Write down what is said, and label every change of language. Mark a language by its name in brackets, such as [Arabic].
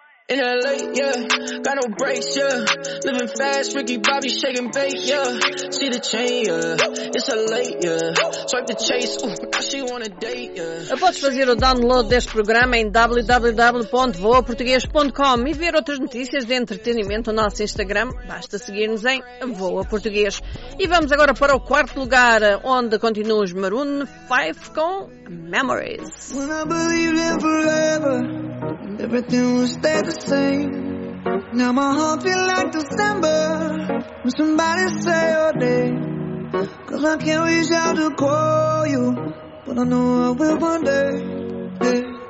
[English] In LA, yeah, got no brakes, yeah. Living fast, Ricky Bobby shaking bass, yeah. See the chain, yeah. It's a late, yeah. Swipe the chase, ooh, now she wanna date, yeah. [Portuguese] Podes fazer o download deste programa em www.voaportugues.com e ver outras notícias de entretenimento no nosso Instagram. Basta seguir-nos em Voa Português. E vamos agora para o quarto lugar, onde continua os Maroon 5 com Memories. [English] When I believed in forever, everything will stay the same. Now my heart feels like December, when somebody say your name. Cause I can't reach out to call you, but I know I will one day, hey.